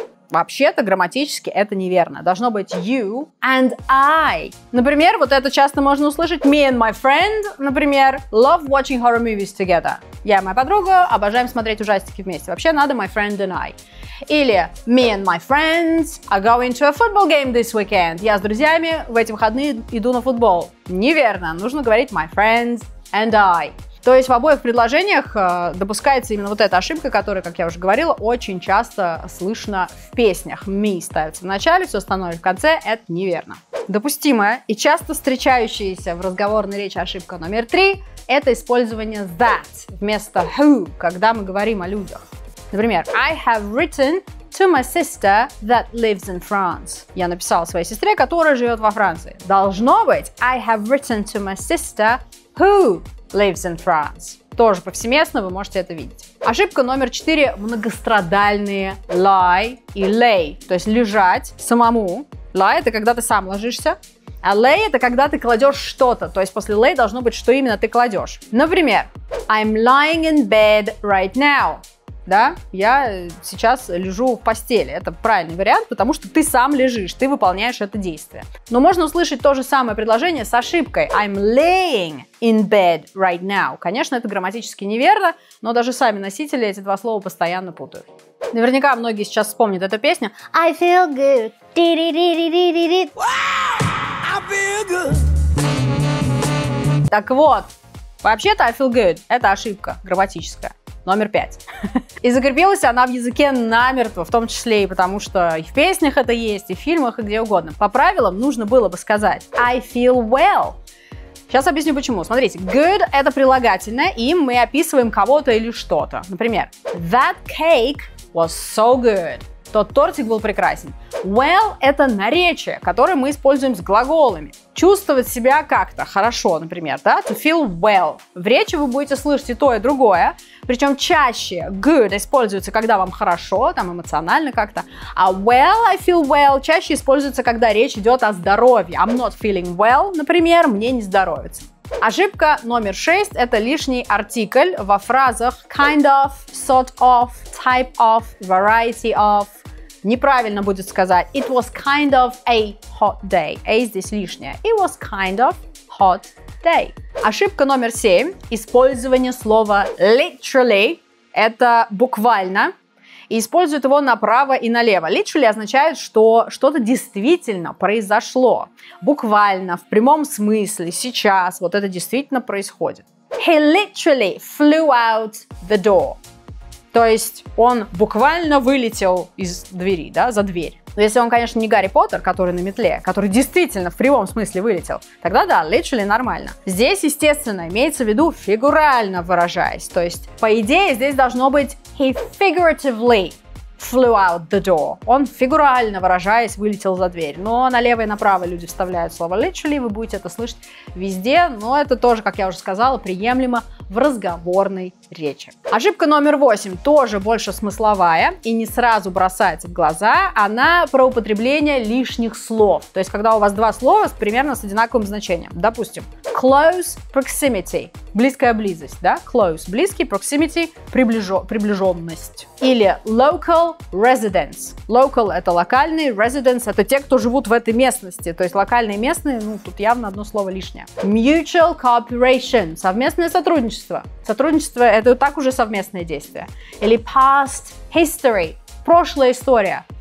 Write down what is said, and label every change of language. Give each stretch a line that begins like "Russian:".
Russian: Вообще-то, грамматически это неверно. Должно быть you and I. Например, вот это часто можно услышать.
English: Me and my friend, например, love watching horror movies together.
Russian: Я и моя подруга обожаем смотреть ужастики вместе. Вообще надо
English: my friend and I. Или me and my friends are going to a football game this weekend.
Russian: Я с друзьями в эти выходные иду на футбол. Неверно. Нужно говорить
English: my friends and I.
Russian: То есть в обоих предложениях допускается именно вот эта ошибка, которая, как я уже говорила, очень часто слышна в песнях. Me ставится в начале, все остальное в конце, это неверно. Допустимая и часто встречающаяся в разговорной речи ошибка номер три – это использование that вместо who, когда мы говорим о людях.
English: Например, I have written to my sister that lives in France.
Russian: Я написал своей сестре, которая живет во Франции. Должно быть
English: I have written to my sister who lives in France.
Russian: Тоже повсеместно вы можете это видеть. Ошибка номер 4 – многострадальные lie и lay. То есть лежать самому. Lie – это когда ты сам ложишься. А lay – это когда ты кладешь что-то. То есть после lay должно быть, что именно ты кладешь.
English: Например, I'm lying in bed right now.
Russian: Да, я сейчас лежу в постели. Это правильный вариант, потому что ты сам лежишь, ты выполняешь это действие. Но можно услышать то же самое предложение с ошибкой.
English: I'm laying in bed right now.
Russian: Конечно, это грамматически неверно, но даже сами носители эти два слова постоянно путают. Наверняка многие сейчас вспомнят эту песню.
English: I feel good. I feel good.
Russian: Так вот, вообще-то
English: I feel good
Russian: – это ошибка грамматическая. Номер 5. И закрепилась она в языке намертво, в том числе и потому, что и в песнях это есть, и в фильмах, и где угодно. По правилам нужно было бы сказать
English: I feel well.
Russian: Сейчас объясню почему. Смотрите, good – это прилагательное, и мы описываем кого-то или что-то.
English: Например, that cake was so good.
Russian: Тот тортик был прекрасен. Well – это наречие, которое мы используем с глаголами. Чувствовать себя как-то хорошо, например, да?
English: To feel well.
Russian: В речи вы будете слышать и то, и другое. Причем чаще good используется, когда вам хорошо, там эмоционально как-то. А
English: well, I feel well,
Russian: чаще используется, когда речь идет о здоровье.
English: I'm not feeling well, например,
Russian: мне не здоровится. Ошибка номер 6 – это лишний артикль во фразах kind of, sort of, type of, variety of. Неправильно будет сказать
English: it was kind of a hot day. A
Russian: здесь лишнее.
English: It was kind of hot day.
Russian: Ошибка номер 7 – использование слова literally. Это буквально. И используют его направо и налево. Literally означает, что что-то действительно произошло. Буквально, в прямом смысле, сейчас, вот это действительно происходит.
English: He literally flew out the door.
Russian: То есть он буквально вылетел из двери, да, за дверь. Но если он, конечно, не Гарри Поттер, который на метле, который действительно в прямом смысле вылетел, тогда да, literally нормально. Здесь, естественно, имеется в виду фигурально выражаясь. То есть, по идее, здесь должно быть
English: he figuratively flew out the door.
Russian: Он фигурально выражаясь вылетел за дверь. Но налево и направо люди вставляют слово literally, вы будете это слышать везде. Но это тоже, как я уже сказала, приемлемо в разговорной речи. Ошибка номер 8 тоже больше смысловая и не сразу бросается в глаза. Она про употребление лишних слов. То есть, когда у вас два слова примерно с одинаковым значением.
English: Допустим, close proximity.
Russian: Близкая близость, да? Close – близкий, proximity – приближенность.
English: Или local residence.
Russian: Local – это локальный, residence – это те, кто живут в этой местности. То есть локальные и местные, ну, тут явно одно слово лишнее. Mutual cooperation – совместное сотрудничество. Сотрудничество – это так уже совместное действие. Или past history – прошлая история.